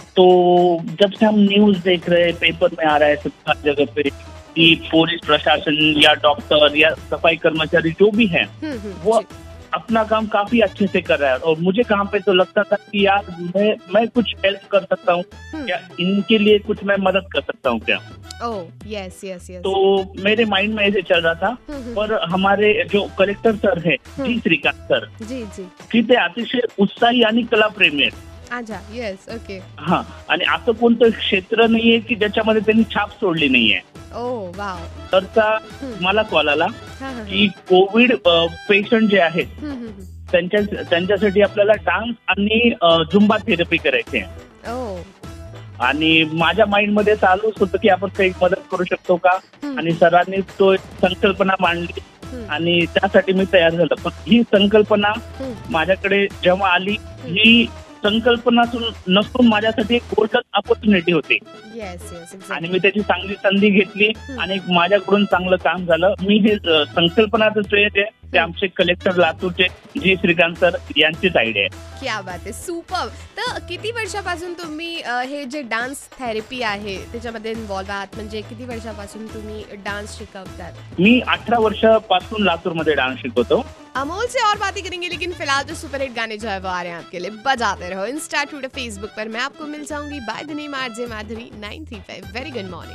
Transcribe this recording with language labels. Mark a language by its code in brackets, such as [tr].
[hi] तो जब से हम न्यूज़ देख रहे हैं, पेपर में आ रहा है सबका जगह पे कि पुलिस प्रशासन या डॉक्टर या सफाई कर्मचारी जो भी है वो अपना काम काफी अच्छे से कर रहा है, और मुझे काम पे तो लगता था कि यार मैं कुछ हेल्प कर सकता हूँ क्या, इनके लिए कुछ मैं मदद कर सकता हूँ क्या. [en] Oh yes yes yes. [hi] तो मेरे माइंड में ऐसे चल रहा था. पर हमारे जो कलेक्टर सर है जी, श्रीकांत सर जी, कितने अतिशय उत्साही यानी कला प्रेमी. [en] Yes okay. [mr] हाँ, आणि आता कोणतं क्षेत्र नाहीये कि ज्याच्यामध्ये त्यांनी छाप सोडली नाहीये. तर मला कॉल आला की कोविड पेशंट जे आहेत त्यांच्यासाठी आपल्याला डान्स आणि झुंबा थेरपी करायची आहे. आणि माझ्या माइंड मध्ये चालू होत की आपण काही मदत करू शकतो का, आणि सरांनी तो संकल्पना मांडली आणि त्यासाठी मी तयार झालो. पण ही संकल्पना माझ्याकडे जेव्हा आली, ही संकल्पना नसून माझ्यासाठी एक गोल्डन अपॉर्च्युनिटी होती. आणि मी त्याची चांगली संधी घेतली आणि माझ्याकडून चांगलं काम झालं. मी हे संकल्पनाचं श्रेय आहे ते आमचे कलेक्टर लातूरचे जी श्रीकांत सर यांचीच आयडिया आहे. [hi] क्या बात [mr] आहे, सुपर. तर किती वर्षापासून तुम्ही हे जे डान्स थेरपी आहे त्याच्यामध्ये इन्वॉल्व आहात, म्हणजे किती वर्षापासून तुम्ही डान्स शिकवतात? मी 18 वर्षापासून लातूरमध्ये डान्स शिकवतो. [hi] अमोल से और बातें करेंगे, लेकिन फिलहाल जो सुपर हिट गाने जो है वो आ रहे हैं आपके लिए. बजाते रहो इंस्टा ट्विटर फेसबुक पर, मैं आपको मिल जाऊंगी. [en] by the name [hi] RJ Madhuri 93.5. [en] Very good morning.